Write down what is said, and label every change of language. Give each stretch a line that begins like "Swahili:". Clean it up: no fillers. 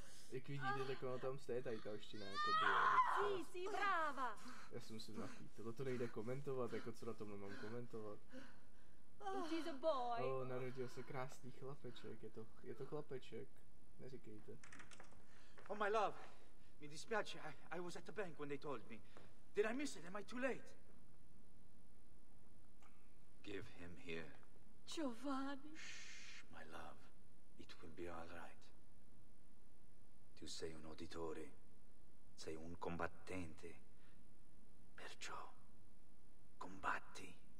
Czech: Jak vidíte, tak ono tam stejně ta italština jako bylo.
Italian: Sí, sí, brava.
Czech: Já si musím napít, tohle to nejde komentovat, jako co na tom mám komentovat.
English: It is a boy.
Czech: Oh, narodil se krásný chlapeček, je to chlapeček, neříkejte.
English: Oh my love,
Italian: mi dispiace,
English: I was at the bank when they told me. Did I miss it? Am I too late? Give him here. Giovanni. Shh, my love, it will be all right.
Italian: Tu sei un uditore, sei un combattente, perciò combatti.